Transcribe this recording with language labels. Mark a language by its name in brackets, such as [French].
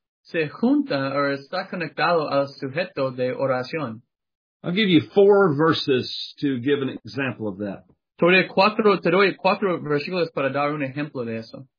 [Spanish] Se junta o está conectado al sujeto de oración. [English] I'll give you 4 verses to give an example of that. [Spanish] Te doy cuatro versículos para dar un ejemplo de eso.